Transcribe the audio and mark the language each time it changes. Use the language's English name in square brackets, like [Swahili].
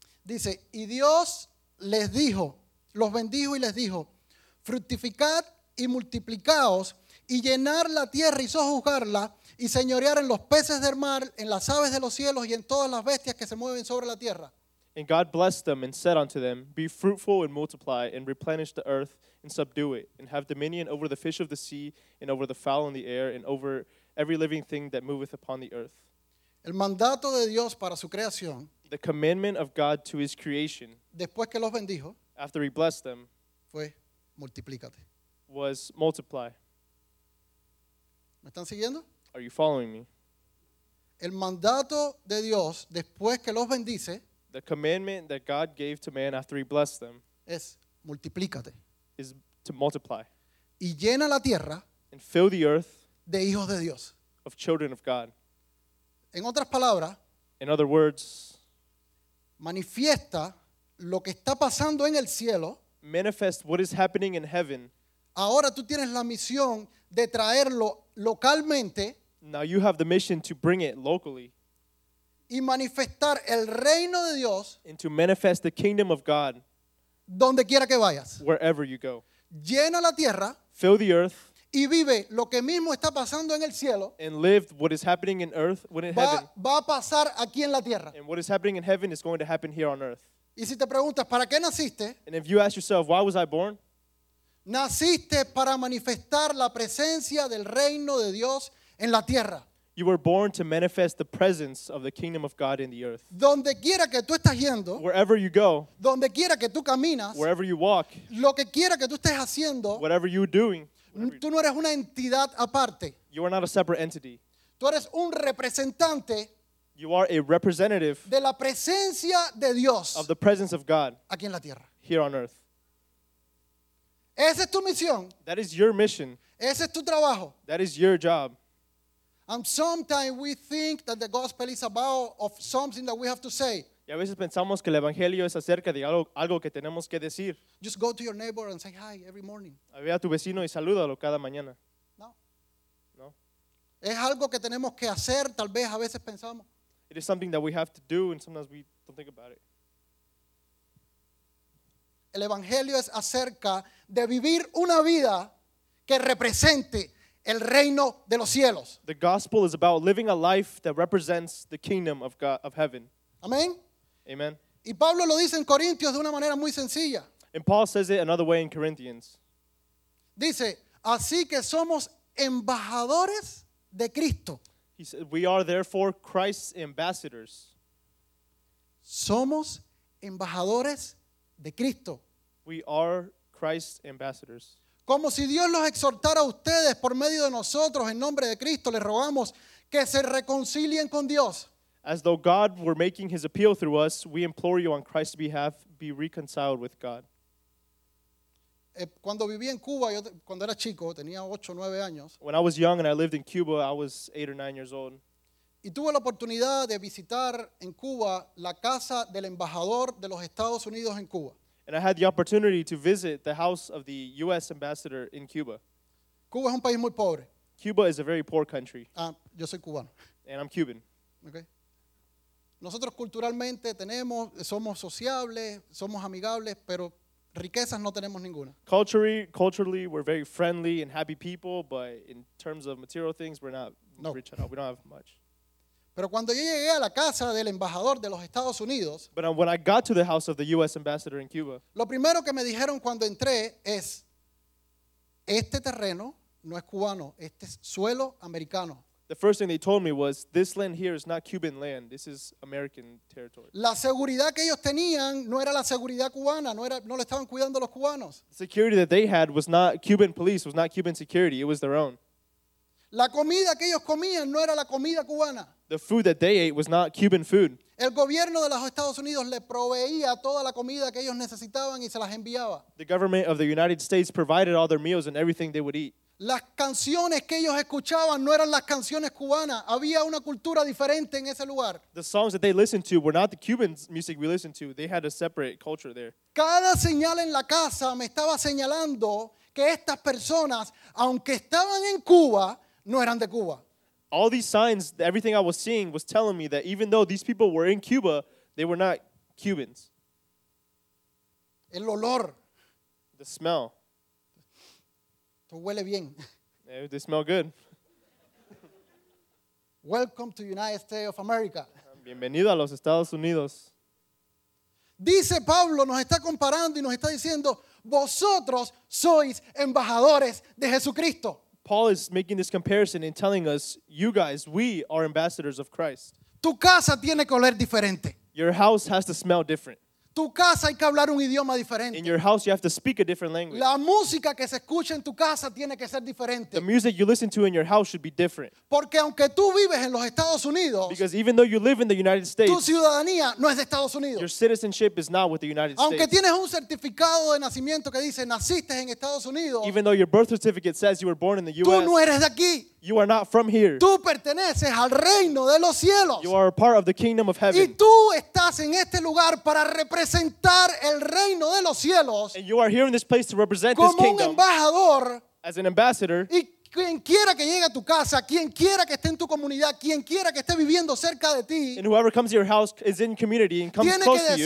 [Spanish] Dice, y Dios les dijo, los bendijo y les dijo, fructificad y multiplicaos, y llenar la tierra y sojuzgarla, y señorear en los peces del mar, en las aves de los cielos, y en todas las bestias que se mueven sobre la tierra. [English] And God blessed them and said unto them, be fruitful and multiply, and replenish the earth, and subdue it, and have dominion over the fish of the sea, and over the fowl in the air, and over every living thing that moveth upon the earth. [Spanish] El mandato de Dios para su creación. [English] The commandment of God to his creation. [Spanish] Después que los bendijo. [English] After he blessed them. [Spanish] Fue multiplícate. [English] Was multiply. [Spanish] ¿Me están siguiendo? [English] Are you following me? [Spanish] El mandato de Dios después que los bendice. [English] The commandment that God gave to man after he blessed them. [Spanish] Es multiplícate. [English] Is to multiply. [Spanish] Y llena la tierra. [English] And fill the earth. [Spanish] De hijos de Dios. [English] Of children of God. [Spanish] En otras palabras, [English] in other words, [Spanish] manifiesta lo que está pasando en el cielo. [English] Manifest what is happening in heaven. [Spanish] Ahora tú tienes la misión de traerlo localmente. [English] Now you have the mission to bring it locally. [Spanish] Y manifestar el reino de Dios. [English] And to manifest the kingdom of God. [Spanish] Donde quiera que vayas. [English] Wherever you go. [Spanish] Llena la tierra. [English] Fill the earth. [Spanish] Y vive lo que mismo está pasando en el cielo. [English] And live what is happening in earth when in heaven. [Spanish] Va a pasar aquí en la tierra. [English] And what is happening in heaven is going to happen here on earth. [Spanish] Y si te preguntas, ¿para qué naciste? [English] And if you ask yourself, why was I born? [Spanish] Naciste para manifestar la presencia del reino de Dios en la tierra. [English] You were born to manifest the presence of the kingdom of God in the earth. [Spanish] Donde quiera que tú estás yendo, [English] wherever you go, [Spanish] donde quiera que tú caminas, [English] wherever you walk, [Spanish] lo que quiera que tú estés haciendo, [English] whatever you're doing, [Spanish] tú no eres una entidad aparte. [English] You are not a separate entity. [Spanish] Tú eres un representante. [English] You are a representative [Spanish] de la presencia de Dios [English] of the presence of God [Spanish] aquí en la tierra. [English] Here on earth. [Spanish] Esa es tu misión. [English] That is your mission. [Spanish] Ese es tu trabajo. [English] That is your job. And sometimes we think that the gospel is about of something that we have to say. [Spanish] Y a veces pensamos que el evangelio es acerca de algo que tenemos que decir. [English] Just go to your neighbor and say hi every morning. [Spanish] Ve a tu vecino y salúdalo cada mañana. [English] No. [Spanish] No. Es algo que tenemos que hacer, tal vez a veces pensamos. [English] It is something that we have to do, and sometimes we don't think about it. [Spanish] El evangelio es acerca de vivir una vida que represente el reino de los cielos. [English] The gospel is about living a life that represents the kingdom of God, of heaven. [Spanish] Amen. [English] Amen. [Spanish] Y Pablo lo dice en Corintios de una manera muy sencilla. [English] And Paul says it another way in Corinthians. [Spanish] Dice, así que somos embajadores de Cristo. [English] He said, we are therefore Christ's ambassadors. [Spanish] Somos embajadores de Cristo. [English] We are Christ's ambassadors. [Spanish] Como si Dios los exhortara a ustedes por medio de nosotros en nombre de Cristo, les rogamos que se reconcilien con Dios. [English] As though God were making his appeal through us, we implore you on Christ's behalf, be reconciled with God. [Spanish] Cuando viví en Cuba, yo, cuando era chico, tenía 8 o 9 años. [English] When I was young and I lived in Cuba, I was 8 or 9 years old. [Spanish] Y tuve la oportunidad de visitar en Cuba la casa del embajador de los Estados Unidos en Cuba. [English] And I had the opportunity to visit the house of the U.S. ambassador in Cuba. [Spanish] Cuba es un país muy pobre. [English] Cuba is a very poor country. [Spanish] Yo soy cubano. [English] And I'm Cuban. Okay. [Spanish] Nosotros culturalmente tenemos, somos sociables, somos amigables, pero riquezas no tenemos ninguna. [English] Culturally, we're very friendly and happy people, but in terms of material things, we're not [Spanish] no. [English] rich at all. We don't have much. [Spanish] Pero cuando yo llegué a la casa del embajador de los Estados Unidos, [English] but when I got to the house of the U.S. ambassador in Cuba, [Spanish] lo primero que me dijeron cuando entré es, este terreno no es cubano, este es suelo americano. [English] The first thing they told me was, this land here is not Cuban land, this is American territory. [Spanish] La seguridad que ellos tenían no era la seguridad cubana, no le estaban cuidando los cubanos. [English] The security that they had was not Cuban police, was not Cuban security, it was their own. [Spanish] La comida que ellos comían no era la comida cubana. [English] The food that they ate was not Cuban food. [Spanish] El gobierno de los Estados Unidos le proveía toda la comida que ellos necesitaban y se las enviaba. [English] The government of the United States provided all their meals and everything they would eat. [Spanish] Las canciones que ellos escuchaban no eran las canciones cubanas. Había una cultura diferente en ese lugar. [English] The songs that they listened to were not the Cuban music we listened to. They had a separate culture there. [Spanish] Cada señal en la casa me estaba señalando que estas personas, aunque estaban en Cuba, no eran de Cuba. [English] All these signs, everything I was seeing was telling me that even though these people were in Cuba, they were not Cubans. [Spanish] El olor. [English] The smell. [Spanish] Esto huele bien. [English] They smell good. Welcome to the United States of America. [Spanish] Bienvenido a los Estados Unidos. Dice Pablo, nos está comparando y nos está diciendo, vosotros sois embajadores de Jesucristo. [English] Paul is making this comparison and telling us, you guys, we are ambassadors of Christ. [Spanish] Tu casa tiene que oler diferente. [English] Your house has to smell different. [Spanish] tu casa hay que hablar un idioma diferente. [English] In your house, you have to speak a different language. [Spanish] La música que se escucha en tu casa tiene que ser diferente. [English] The music you listen to in your house should be different. [Spanish] Porque aunque tú vives en los Estados Unidos, [English] because even though you live in the United States, [Spanish] tu ciudadanía no es de Estados Unidos. [English] Your citizenship is not with the United States. [Spanish] Aunque tienes un certificado de nacimiento que dice naciste en Estados Unidos, [English] even though your birth certificate says you were born in the U.S., [Spanish] tú no eres de aquí. [English] You are not from here. [Spanish] Tú perteneces al reino de los cielos. [English] You are a part of the kingdom of heaven. [Spanish] Y tú estás en este lugar para representar el reino de los cielos. [English] And you are here in this place to represent [Spanish] como [English] this kingdom. [Spanish] Un embajador. [English] As an ambassador. [Spanish] Y quien quiera que llegue a tu casa, quien quiera que esté en tu comunidad, quien quiera que esté viviendo cerca de ti. [English] And whoever comes to your house is in community and comes close to you.